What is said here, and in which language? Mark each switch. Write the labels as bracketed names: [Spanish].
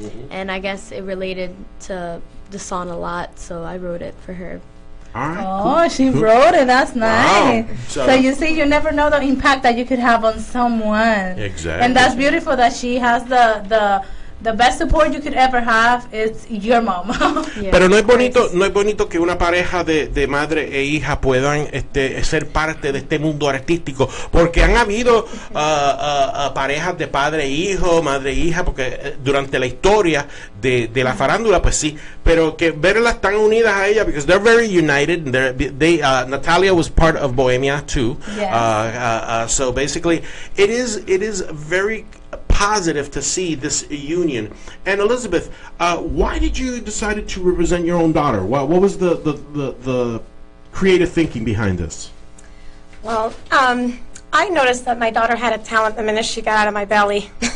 [English] And I guess it related to the song a lot, so I wrote it for her. She wrote it. That's nice. Wow. So you see, you never know the impact that you could have on someone. Exactly. And that's beautiful that she has the best support you could ever have is your mom. Yeah, [Spanish] pero no es bonito, no es bonito que una pareja de madre e hija puedan ser parte de este mundo artístico, porque han habido parejas de padre e hijo, madre e hija, porque durante la historia de la farándula, pues sí, pero que verlas tan unidas a ella, [English] because they're very united, Natalia was part of Bohemia too. Yes. So basically it is very positive to see this union. And Elizabeth, why did you decide to represent your own daughter? What was the creative thinking behind this? Well, I noticed that my daughter had a talent the minute she got out of my belly.